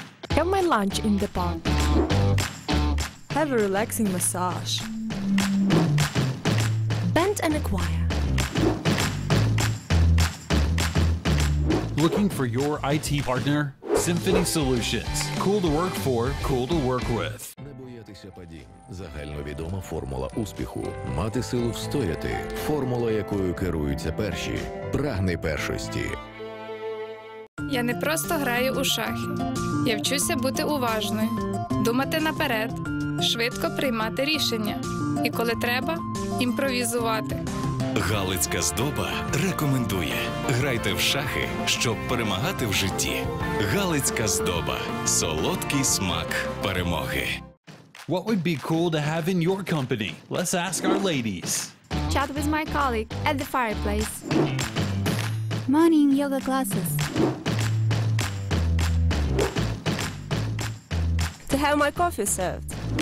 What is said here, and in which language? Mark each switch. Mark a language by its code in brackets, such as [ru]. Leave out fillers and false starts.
[en] Have my lunch in the park. Have a relaxing massage. Bent and acquire. Looking for your IT partner? Symphony Solutions. Cool to work for, cool to work with. [uk] Загальновідома формула успіху. Мати силу встояти. Формула, якою керуються перші. Прагни першості. Я не просто граю у шахи. Я вчуся бути уважною, думати наперед, швидко приймати рішення. І коли треба, імпровізувати. Галицька здоба рекомендує. Грайте в шахи, щоб перемагати в житті. Галицька здоба. Солодкий смак перемоги. [en] What would be cool to have in your company? Let's ask our ladies. Chat with my colleague at the fireplace. Morning yoga classes. To have my coffee served.